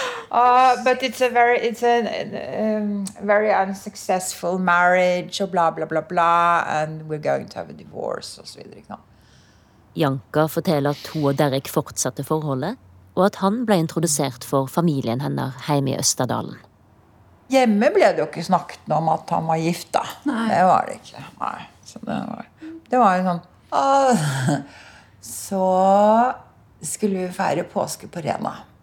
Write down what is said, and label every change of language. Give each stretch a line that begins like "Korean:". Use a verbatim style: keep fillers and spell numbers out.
English: Uh, but it's a very, it's a um, very unsuccessful marriage, og bla bla bla bla, and we're going to have a divorce,
Norwegian: og så videre, ikke sant? Janka forteller at hun og Derek fortsatte forholdet, og at han ble introdusert for familien hennes hjemme i Østerdalen. Hjemme ble det jo ikke snakket om at han var gift, da. Nei. Det var det ikke. Nei. Så det var, det var jo sånn Åh. Så skulle vi feire påske på Rena.